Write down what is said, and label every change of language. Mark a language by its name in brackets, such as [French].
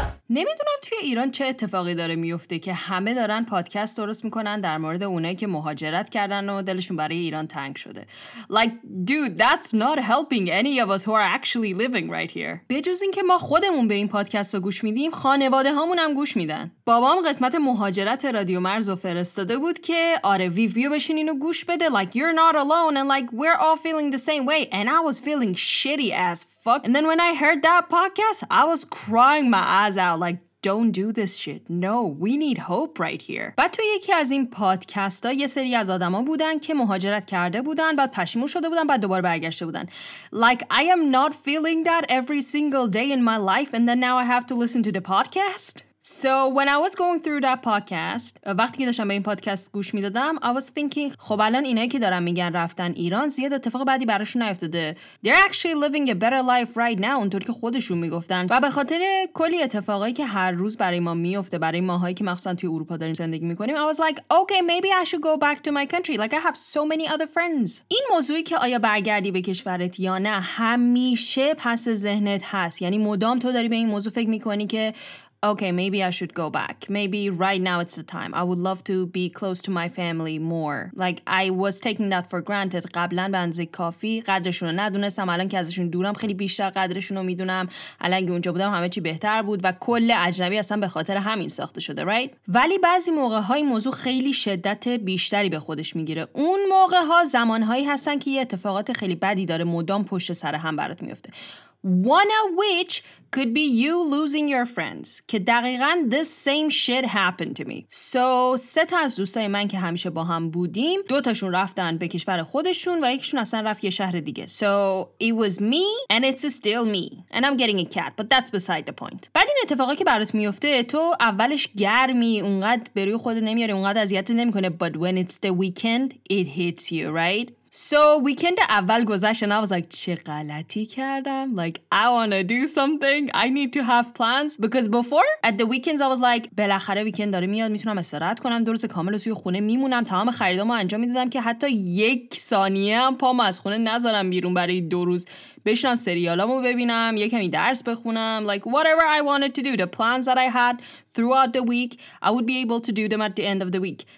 [Persian] نمیدونم توی ایران چه اتفاقی داره میفته که همه دارن پادکست درست میکنن در مورد اونایی که مهاجرت کردن و دلشون برای ایران تنگ شده. [English] Like, dude, that's not helping any of us who are actually living right here. [Persian] بجز این که ما خودمون به این پادکست رو گوش میدیم، خانواده هامون هم گوش میدن. بابام قسمت مهاجرت رادیو مرز رو فرستاده بود که آره ویو بیو بشین اینو گوش بده. [English] Like, you're not alone and like, we're all feeling the same way and I was feeling shitty as fuck. And then when I heard that podcast, I was crying my eyes out. Like, don't do this shit. No, we need hope right here. [Persian] بعد تو یکی از این پادکست‌ها یه سری از آدم‌ها بودن که مهاجرت کرده بودن، بعد پشیمون شده بودن، بعد دوباره برگشته بودن. [English] Like, I am not feeling that every single day in my life and then now I have to listen to the podcast? So when I was going through that podcast, [Persian] وقتی که داشتم به این پادکست گوش میدادم، [English] I was thinking [Persian] خب الان اینایی که دارن میگن رفتن ایران زیاد اتفاق بعدی براشون نیفتاده. [English] They're actually living a better life right now [Persian] اونطور که خودشون میگفتن. و به خاطر کلی اتفاقایی که هر روز برای ما میفته، برای ماهایی که مخصوصا توی اروپا داریم زندگی میکنیم، [English] I was like okay maybe I should go back to my country like I have so many other friends. [Persian] این موضوعی که آیا برگردی به کشورت یا نه همیشه پس ذهنت هست، یعنی مدام تو داری به این موضوع فکر میکنی که [English] okay, maybe I should go back. Maybe right now it's the time. I would love to be close to my family more. Like, I was taking that for granted. [Persian] قبلن به اندازه کافی قدرشون رو ندونستم. الان که ازشون دورم خیلی بیشتر قدرشون رو میدونم. الان که اونجا بودم همه چی بهتر بود و کل اجنبی اصلا به خاطر همین ساخته شده, [English] right? [Persian] ولی بعضی موقع‌های موضوع خیلی شدت بیشتری به خودش میگیره. اون موقع‌ها زمان‌هایی هستن که یه اتفاقات خیلی بدی داره مدام پشت سر هم برات میفته. [English] One of which could be you losing your friends. [Persian] که دقیقاً [English] this same shit happened to me. [Persian] So, سه تا از دوستای من که همیشه با هم بودیم، دو تاشون رفتن به کشور خودشون و یکیشون اصلا رفت یه شهر دیگه. [English] So, it was me and it's still me. And I'm getting a cat, but that's beside the point. [Persian] بعد این اتفاقی که برات میفته، تو اولش گرمی، اونقدر به روی خودت نمیاری، اونقدر اذیتت نمیکنه. [English] But when it's the weekend, it hits you, right? So weekend [Persian] اول گذشت [English] and I was like [Persian] چه غلطی کردم, [English] like I wanna do something, I need to have plans, because before at the weekends I was like [Persian] بالاخره [English] weekend [Persian] داره میاد میتونم استراحت کنم, دو روز کامل توی خونه میمونم, تمام خریدامو انجام میدادم که حتی یک ثانیه هم پامو از خونه نذارم بیرون برای دو روز, بشنم سریالامو ببینم, یکمی درس بخونم, [English] like whatever I wanted to do, the plans that I had throughout the week I would be able to do them at the end of the week.